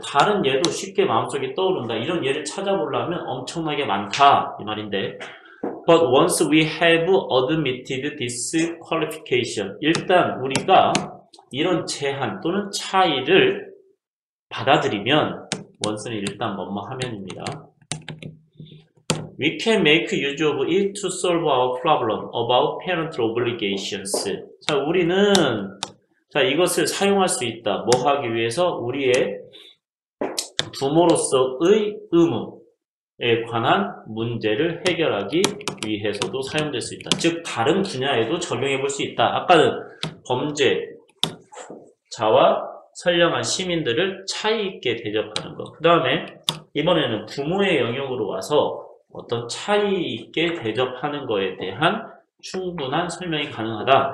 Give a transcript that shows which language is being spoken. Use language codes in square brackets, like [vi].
[ko] 다른 예도 쉽게 마음속에 떠오른다. 이런 예를 찾아보려면 엄청나게 많다. 이 말인데. [en] But once we have admitted this qualification. [ko] 일단 우리가 이런 제한 또는 차이를 받아들이면, once는 일단 뭐뭐 하면입니다. [en] We can make use of it to solve our problem about parental obligations. [ko] 자, 우리는, 자, 이것을 사용할 수 있다. 뭐 하기 위해서? 우리의 부모로서의 의무에 관한 문제를 해결하기 위해서도 사용될 수 있다. 즉, 다른 분야에도 적용해 볼수 있다. 아까는 범죄자와 선량한 시민들을 차이 있게 대접하는 것. 그 다음에 이번에는 부모의 영역으로 와서 어떤 차이 있게 대접하는 것에 대한 충분한 설명이 가능하다.